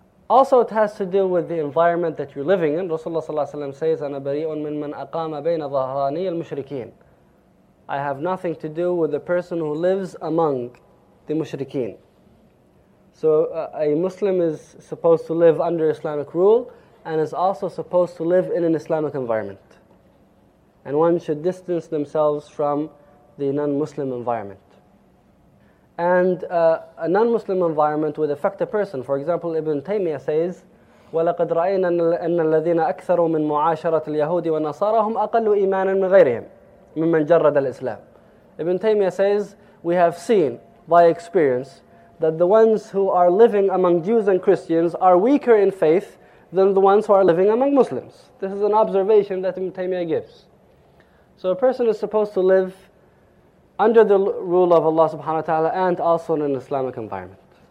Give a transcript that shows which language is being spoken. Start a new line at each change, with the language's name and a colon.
English: Also, it has to deal with the environment that you're living in.
Arabic: Rasulullah sallallahu alayhi wa sallam says, أَنَا بَرِيءٌ مِنْ مَنْ أَقَامَ بَيْنَ ظَهْرَانِيَ الْمُشْرِكِينَ.
English: I have nothing to do with the person who lives among the mushrikeen. So a Muslim is supposed to live under Islamic rule and is also supposed to live in an Islamic environment. And one should distance themselves from the non-Muslim environment. And a non-Muslim environment would affect a person. For example, Ibn Taymiyyah says,
Arabic: وَلَقَدْ رَأَيْنَا أَنَّ الَّذِينَ أَكْثَرُوا مِنْ مُعَاشَرَةِ الْيَهُودِ وَالنَّصَارَى هُمْ أَقَلُّ إِيمَانًا مِنْ غَيْرِهِمْ مِمَّنْ جَرَّدَ الْإِسْلَامِ.
English: Ibn Taymiyyah says, we have seen by experience that the ones who are living among Jews and Christians are weaker in faith than the ones who are living among Muslims. This is an observation that Ibn Taymiyyah gives. So a person is supposed to live under the rule of Allah subhanahu wa ta'ala and also in an Islamic environment.